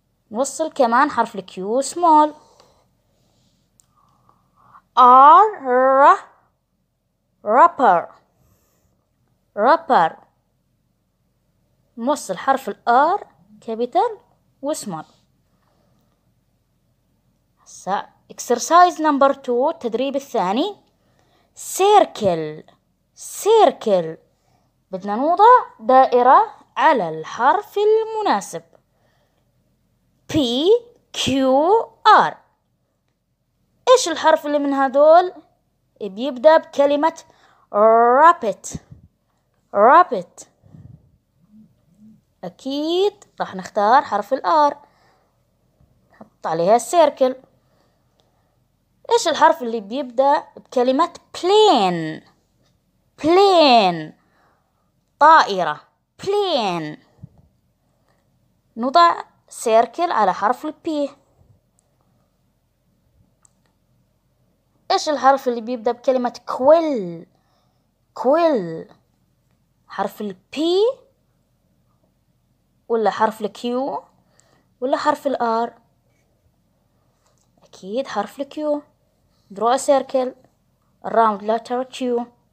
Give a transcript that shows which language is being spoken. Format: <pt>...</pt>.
<ar>نوصل كمان حرف ال Q small.</ar> <en>R, r, rapper. Rapper.</en> <ar>نوصل حرف ال R capital و small.</ar> <en>Exercise number two,</en> <ar>التدريب الثاني.</ar> <en>Circle. Circle.</en> <ar>بدنا نوضع دائرة على الحرف المناسب.</ar> <en>P Q R.</en> <ar>إيش الحرف اللي من هذول؟ بيبدأ بكلمة rapid. Rapid. أكيد راح نختار حرف الآر. نحط عليها السيركل. إيش الحرف اللي بيبدأ بكلمة plane؟ plane، طائرة. plane. نضع سيركل على حرف ال P. إيش الحرف اللي بيبدأ بكلمة quill؟ quill، حرف ال P ولا حرف الكيو ولا حرف الار؟ اكيد حرف الكيو.</ar> <en>draw a circle around letter Q.</en>